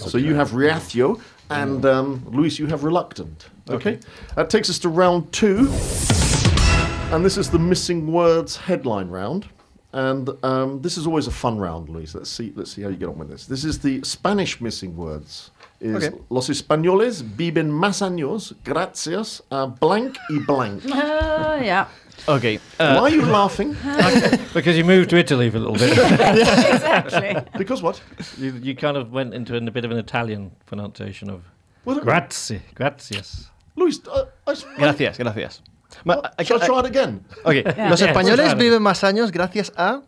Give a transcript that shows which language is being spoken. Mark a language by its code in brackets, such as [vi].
[en] So you have reactio, and Lluis, you have reluctant. Okay. That takes us to round two. And this is the missing words headline round. And this is always a fun round, Lluis. Let's see how you get on with this. This is the Spanish missing words. Is okay. [es] Los españoles viven más años gracias a blank y blank. [en] Okay. Why are you laughing? Because you moved to Italy for a little bit. Exactly. Because what? You kind of went into a bit of an Italian pronunciation of gracias. Lluis. [es] Gracias. [en] Shall I try it again? Okay. Yeah. [es] Los españoles viven más años gracias a...